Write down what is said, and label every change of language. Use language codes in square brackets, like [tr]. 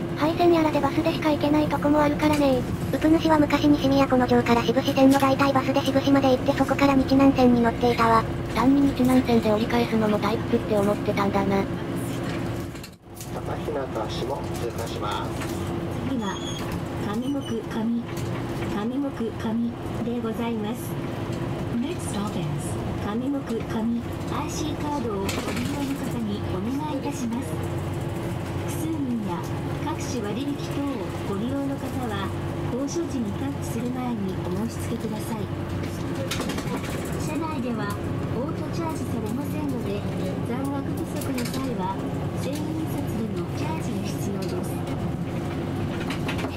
[ja] 廃線やらでバスでしか行けないとこもあるからねー。うぷ主は昔西都の城から渋谷線の代替バスで渋谷まで行ってそこから日南線に乗っていたわ。単に日南線で折り返すのも退屈って思ってたんだな。高日向市も通過します。次は上目上、上目上でございます。 [en] Next stop is 上目上。 [ja] IC カードをご利用の方にお願いいたします。割引等をご利用の方は降車時にタッチする前にお申し付けください。車内ではオートチャージされませんので、残額不足の際は全員札でのチャージが必要です。